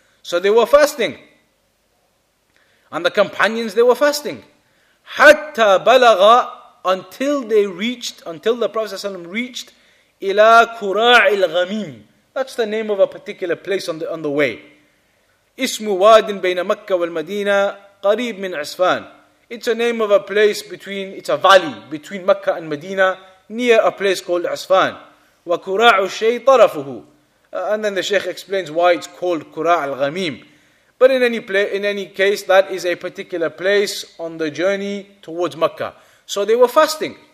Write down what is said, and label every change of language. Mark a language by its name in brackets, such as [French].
[English] So they were fasting. And the companions, they were fasting. [Arabic] Hatta balagha, [English] until the Prophet ﷺ reached, [Arabic] ila kura'il ghamim. [English] That's the name of a particular place on the way. [Arabic] اسمه واد بين مكة والمدينة قريب من عسفان. [English] It's a name of a place between, it's a valley between مكة and مدينة, near a place called عسفان. [Arabic] وكراع الشيء طرفه. [English] And then the Sheikh explains why it's called كراع الغميم. But in any case, that is a particular place on the journey towards مكة. So they were fasting.